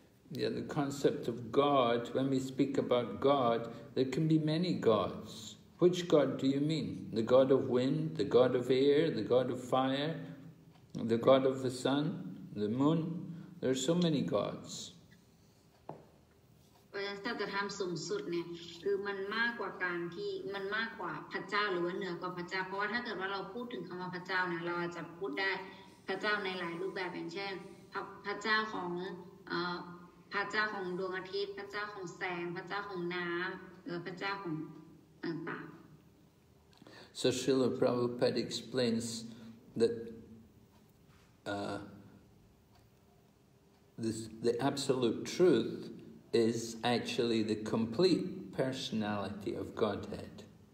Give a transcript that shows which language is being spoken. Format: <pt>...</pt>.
<en>Yeah, the concept of God, when we speak about God, there can be many gods. Which God do you mean? The God of wind, the God of air, the God of fire, the God of the sun, the moon? There are so many gods.</en> <th>ตธรรมสูงสุดเนี่ยคือมันมากกว่าการที่มันมากกว่าพระเจ้าหรือว่าเหนือกว่าพระเจ้าเพราะว่าถ้าเกิดว่าเราพูดถึงคำว่าพระเจ้าเนี่ยเราจะพูดได้พระเจ้าในหลายรูปแบบอย่างเช่นพระเจ้าของพระเจ้าของดวงอาทิตย์พระเจ้าของแสงพระเจ้าของน้ำหรือพระเจ้าของต่าง</th> <en>So Srila Prabhupada explains that the absolute truth is actually the complete personality of Godhead.</en>